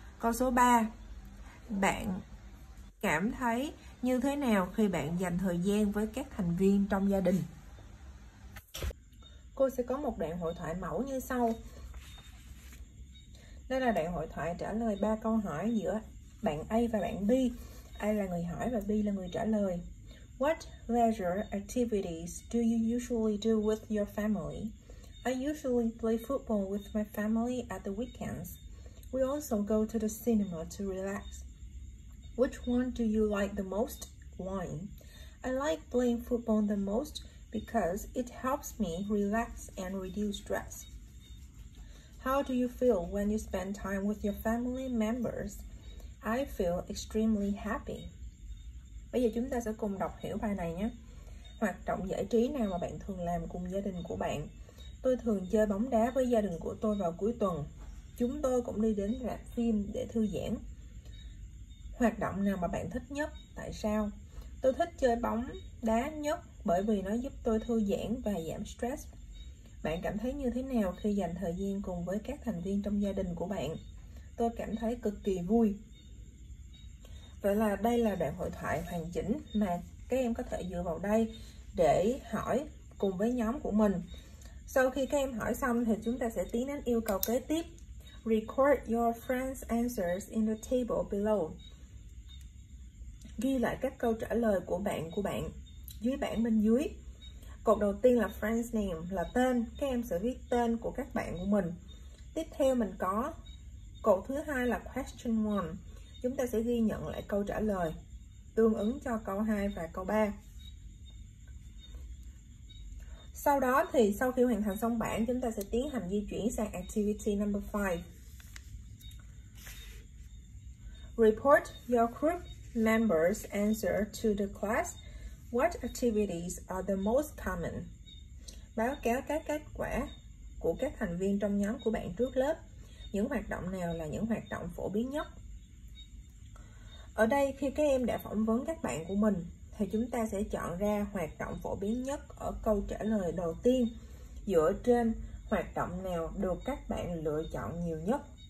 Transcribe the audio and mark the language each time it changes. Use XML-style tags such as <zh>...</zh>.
<vi>Câu số 3, bạn cảm thấy như thế nào khi bạn dành thời gian với các thành viên trong gia đình? Cô sẽ có một đoạn hội thoại mẫu như sau. Đây là đoạn hội thoại trả lời 3 câu hỏi giữa bạn A và bạn B. A là người hỏi và B là người trả lời.</vi> <en>What leisure activities do you usually do with your family? I usually play football with my family at the weekends. We also go to the cinema to relax. Which one do you like the most? Why? I like playing football the most because it helps me relax and reduce stress. How do you feel when you spend time with your family members? I feel extremely happy.</en> <vi>Bây giờ chúng ta sẽ cùng đọc hiểu bài này nhé. Hoạt động giải trí nào mà bạn thường làm cùng gia đình của bạn? Tôi thường chơi bóng đá với gia đình của tôi vào cuối tuần. Chúng tôi cũng đi đến rạp phim để thư giãn. Hoạt động nào mà bạn thích nhất? Tại sao? Tôi thích chơi bóng đá nhất bởi vì nó giúp tôi thư giãn và giảm stress. Bạn cảm thấy như thế nào khi dành thời gian cùng với các thành viên trong gia đình của bạn? Tôi cảm thấy cực kỳ vui. Vậy là đây là đoạn hội thoại hoàn chỉnh mà các em có thể dựa vào đây để hỏi cùng với nhóm của mình. Sau khi các em hỏi xong thì chúng ta sẽ tiến đến yêu cầu kế tiếp.</vi> <en>Record your friends' answers in the table below.</en> <vi>Ghi lại các câu trả lời của bạn dưới bảng bên dưới. Cột đầu tiên là</vi> <en>friend's name,</en> <vi>là tên. Các em sẽ viết tên của các bạn của mình. Tiếp theo mình có cột thứ hai là question 1. Chúng ta sẽ ghi nhận lại câu trả lời tương ứng cho câu 2 và câu 3. Sau đó thì sau khi hoàn thành xong bảng, chúng ta sẽ tiến hành di chuyển sang</vi> <en>activity number 5. Report your group members' answer to the class. What activities are the most common?</en> <vi>Báo cáo các kết quả của các thành viên trong nhóm của bạn trước lớp. Những hoạt động nào là những hoạt động phổ biến nhất? Ở đây, khi các em đã phỏng vấn các bạn của mình, thì chúng ta sẽ chọn ra hoạt động phổ biến nhất ở câu trả lời đầu tiên dựa trên hoạt động nào được các bạn lựa chọn nhiều nhất.</vi>